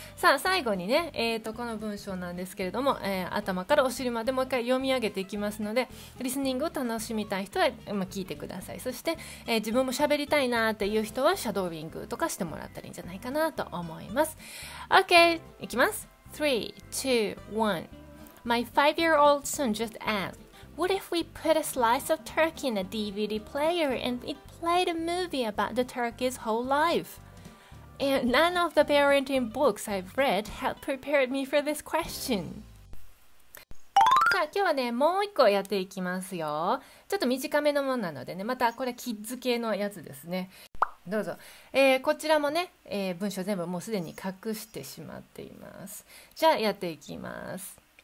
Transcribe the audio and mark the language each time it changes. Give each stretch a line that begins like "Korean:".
Japanese: さあ最後にね、この文章なんですけれども、頭からお尻までもう一回読み上げていきますので、リスニングを楽しみたい人は、聞いてください。そして、自分も喋りたいなっていう人はシャドーウィングとかしてもらったらいいんじゃないかなと思います。 OK、 いきます。3, 2, 1。
English: My five-year-old son just asked, what if we put a slice of turkey in a DVD player and it played a movie about the turkey's whole life? And none of the parenting books I've read have prepared me for this question.
Japanese: さあ今日はね、もう一個やっていきますよ。ちょっと短めのものなのでね、またこれキッズ系のやつですね。どうぞ。こちらもね、文章全部もうすでに隠してしまっています。じゃあやっていきます。